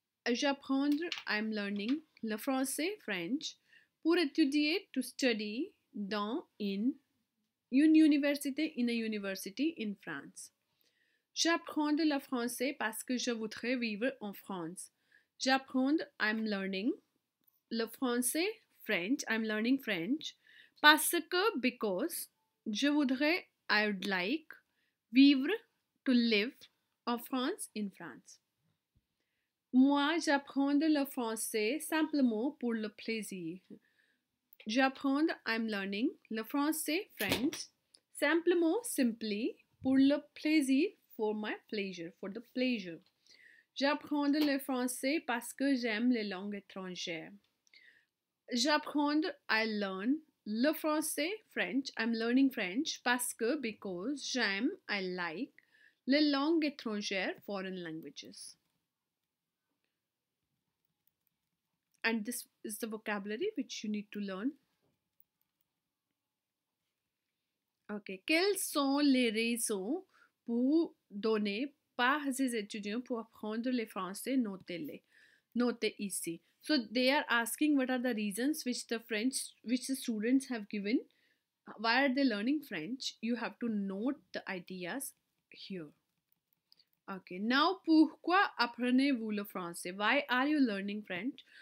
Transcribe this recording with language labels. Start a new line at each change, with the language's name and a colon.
French: J'apprends,
English: I'm learning,
French: le français,
English: French,
French: pour étudier,
English: to study,
French: dans,
English: in,
French: une université,
English: in a university, in France.
French: J'apprends le français parce que je voudrais vivre en France. J'apprends,
English: I'm learning,
French: le français,
English: French, I'm learning French,
French: parce que,
English: because,
French: je voudrais,
English: I'd like,
French: vivre,
English: to live,
French: en France,
English: in France.
French: Moi, j'apprends le français simplement pour le plaisir. J'apprends,
English: I'm learning,
French: le français,
English: French,
French: simplement,
English: simply,
French: pour le plaisir,
English: for my pleasure, for the pleasure.
French: J'apprends le français parce que j'aime les langues étrangères. J'apprends,
English: I learn,
French: le français,
English: French, I'm learning French,
French: parce que,
English: because,
French: j'aime,
English: I like,
French: les langues étrangères,
English: foreign languages. And this is the vocabulary which you need to learn.
French: Okay, quelles sont les raisons pour donner par les étudiants pour apprendre le français? Notez-les. Notez ici.
English: So they are asking what are the reasons which the students have given. Why are they learning French? You have to note the ideas here. Okay, now
French: pourquoi apprenez-vous le français?
English: Why are you learning French?